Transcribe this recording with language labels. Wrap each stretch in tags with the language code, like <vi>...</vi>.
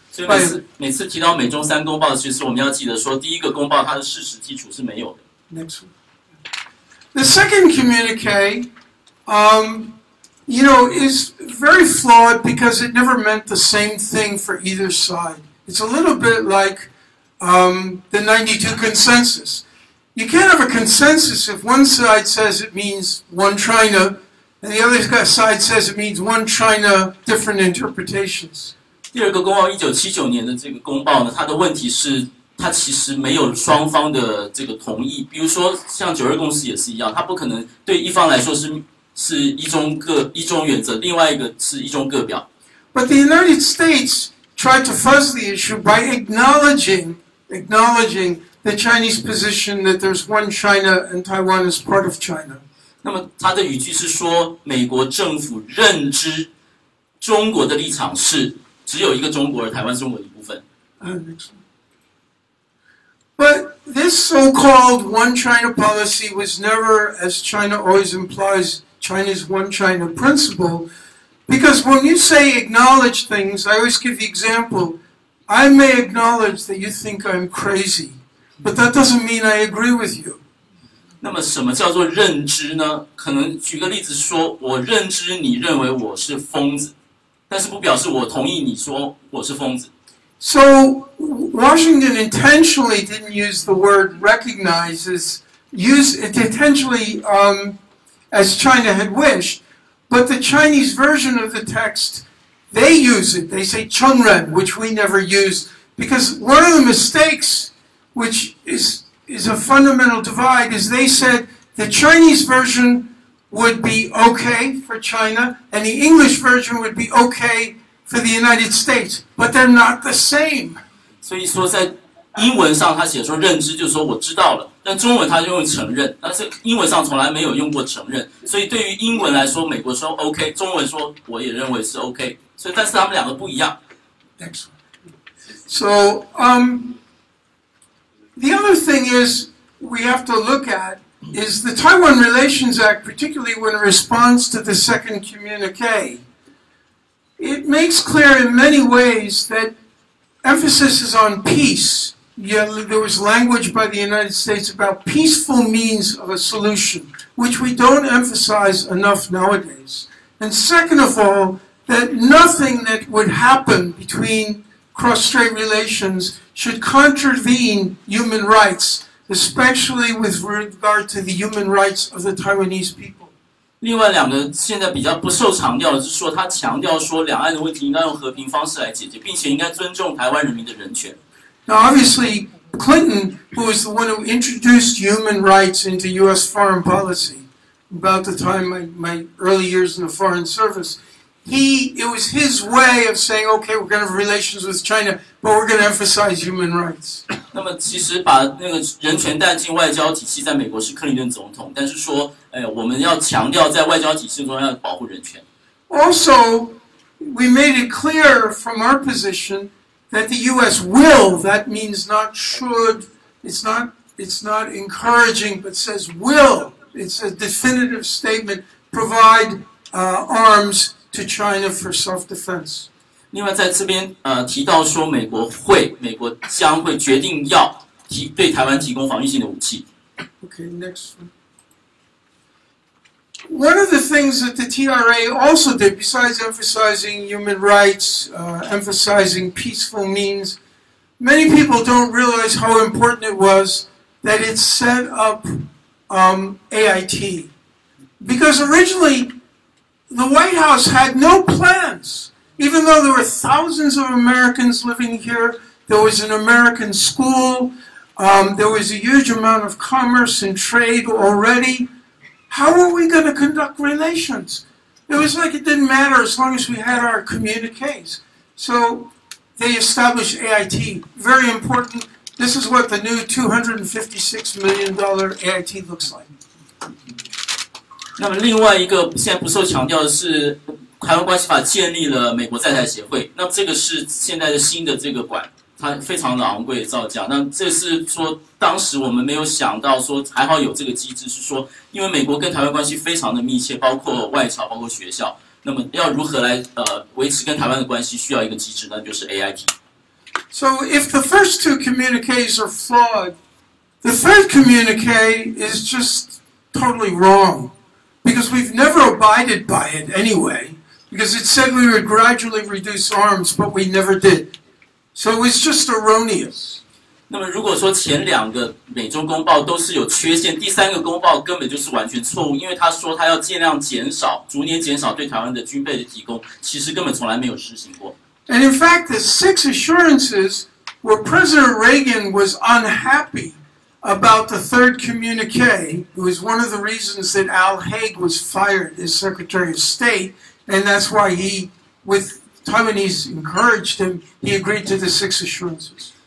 <zh>所以每次提到美中三公报，其实我们要记得说，第一个公报它的事实基础是没有的。</zh> <en>Next one. The second communique, you know, is very flawed because it never meant the same thing for either side. It's a little bit like the 92 consensus. You can't have a consensus if one side says it means one China, and the other side says it means one China, different interpretations.</en> <zh>第二个公报1979年的这个公报呢，它的问题是它其实没有双方的这个同意，比如说像九二共识也是一样，它不可能对一方来说 是一中原则，另外一个是一中各表。</zh> <en>But the United States try to fuzz the issue by acknowledging the Chinese position that there's one China and Taiwan is part of China.</en> <zh>那么他的语句是说，美国政府认知中国的立场是只有一个中国，而台湾是中国的一部分。</zh> <en>But this so-called one China policy was never, as China always implies, China's one China principle. Because when you say acknowledge things, I always give the example, I may acknowledge that you think I'm crazy, but that doesn't mean I agree with you.</en> <zh>那么什么叫做认知呢？可能举个例子说，我认知你认为我是疯子，但是不表示我同意你说我是疯子。</zh> <en>So, Washington intentionally didn't use the word recognizes, use it intentionally, as China had wished, but the Chinese version of the text, they use it, they say 承认, which we never use, because one of the mistakes, which is a fundamental divide, is they said the Chinese version would be okay for China, and the English version would be okay for the United States, but they're not the same.</en> <zh>所以说在英文上他写说认知就是说我知道了，但中文他就用承认，但是英文上从来没有用过承认，所以对于英文来说，美国说 OK， 中文说我也认为是 OK， 所以但是他们两个不一样。</zh> <en>Excellent. So, the other thing is we have to look at is the Taiwan Relations Act, particularly when it responds to the second communique. It makes clear in many ways that emphasis is on peace. Yeah, there was language by the United States about peaceful means of a solution, which we don't emphasize enough nowadays. And second of all, that nothing that would happen between cross-strait relations should contravene human rights, especially with regard to the human rights of the Taiwanese people.</en> <zh>另外两个现在比较不受强调的是说，他强调说两岸的问题应该用和平方式来解决，并且应该尊重台湾人民的人权。</zh> <en>Now, obviously, Clinton, who was the one who introduced human rights into U.S. foreign policy, about the time my early years in the foreign service, it was his way of saying, okay, we're going to have relations with China, but we're going to emphasize human rights.</en> <zh>那么其实把那个人权带进外交体系，在美国是克林顿总统，但是说。我们要强调在外交体系中要保护人权。</zh> <en>Also, we made it clear from our position that the U.S. will, that means not should, it's not encouraging, but says will, it's a definitive statement, provide arms to China for self-defense.</en> <zh>另外在这边提到说美国会，美国将会决定要对台湾提供防御性的武器。</zh> <en>Okay, next one. One of the things that the TRA also did, besides emphasizing human rights, emphasizing peaceful means, many people don't realize how important it was that it set up AIT. Because originally, the White House had no plans. Even though there were thousands of Americans living here, there was an American school, there was a huge amount of commerce and trade already,How are we going to conduct relations? It was like it didn't matter as long as we had our communiques. So they established AIT. Very important. This is what the new $256 million AIT looks like.</en> <zh>那么另外一个现在不受强调的是台湾关系法建立了美国在台协会。那么这个是现在的新的这个馆。它非常的昂贵的造价，那这是说当时我们没有想到说还好有这个机制，是说因为美国跟台湾关系非常的密切，包括外侨，包括学校，那么要如何来维持跟台湾的关系，需要一个机制，那就是 AIT。</zh> <en>So if the first two communiques are flawed, the third communique is just totally wrong, because we've never abided by it anyway, because it said we would gradually reduce arms, but we never did. So it's just erroneous.</en> <zh>那么如果说前两个美中公报都是有缺陷，第三个公报根本就是完全错误，因为他说他要尽量减少，逐年减少对台湾的军备的提供，其实根本从来没有实行过。</zh> <en>And in fact, the six assurances were President Reagan was unhappy about the third communique. It was one of the reasons that Al Haig was fired as Secretary of State, and that's why he with Taiwanese encouraged him, he agreed to the six assurances.</en>